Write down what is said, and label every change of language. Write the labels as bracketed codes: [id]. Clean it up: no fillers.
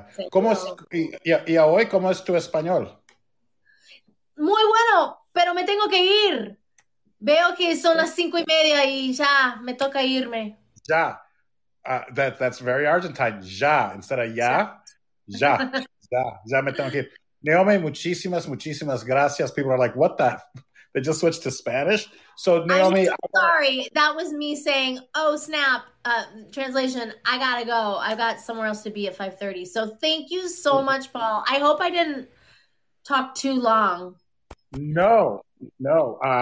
[es] ¿Cómo es, y hoy cómo es tu español? Muy bueno, pero me tengo que ir. Veo que son las 5:30 y ya me toca irme. [en] Ya. That's very Argentine. Ya instead of ya. [es] Ya, ya, ya me tengo que ir. Naomi, muchísimas, muchísimas gracias. [en] People are like, what the? They just switched to Spanish. So Naomi, I'm sorry, that was me saying, oh snap. Translation, I gotta go. I've got somewhere else to be at 5:30. So thank you so much, Paul. I hope I didn't talk too long. No, no.